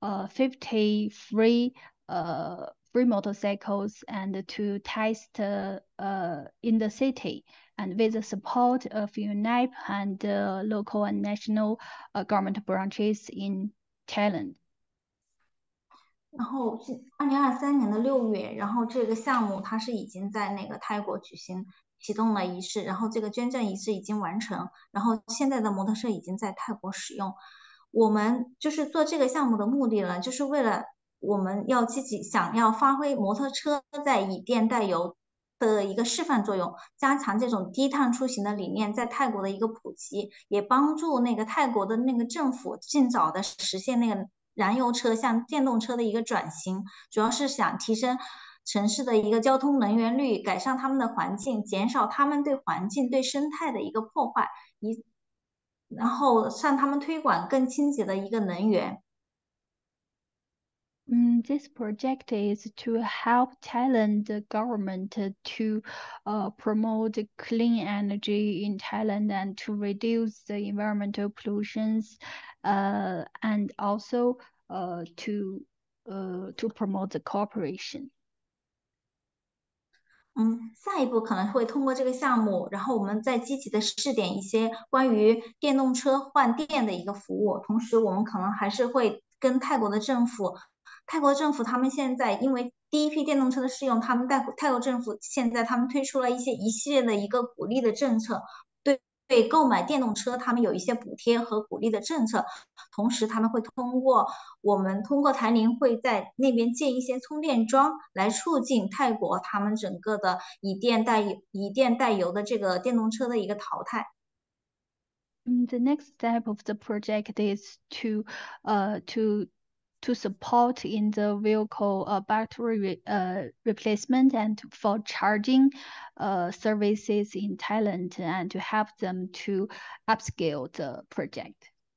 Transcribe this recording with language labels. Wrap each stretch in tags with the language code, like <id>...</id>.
<en>53 free motorcycles and to test in the city, and with the support of UNEP and local and national government branches in Thailand.</en> <zh>然后是2023年的6月，然后这个项目它是已经在那个泰国举行启动了仪式，然后这个捐赠仪式已经完成，然后现在的摩托车已经在泰国使用。我们就是做这个项目的目的呢，就是为了我们要自己想要发挥摩托车在以电代油的一个示范作用，加强这种低碳出行的理念在泰国的一个普及，也帮助那个泰国的那个政府尽早的实现那个燃油车向电动车的一个转型，主要是想提升城市的一个交通能源率，改善他们的环境，减少他们对环境、对生态的一个破坏，然后向他们推广更清洁的一个能源。</zh> <en>This project is to help Thailand government to promote clean energy in Thailand and to reduce the environmental pollutions, and also to promote the cooperation.</en> <zh>下一步可能会通过这个项目，然后我们再积极的试点一些关于电动车换电的一个服务，同时我们可能还是会跟泰国政府他们现在因为第一批电动车的试用，泰国政府现在他们推出了一系列的一个鼓励的政策，对购买电动车他们有一些补贴和鼓励的政策，同时他们会通过台铃会在那边建一些充电桩来促进泰国他们整个的以电代油的这个电动车的一个淘汰。</zh> <en>The next step of the project is to support in the vehicle battery replacement and for charging services in Thailand and to help them to upscale the project.</en>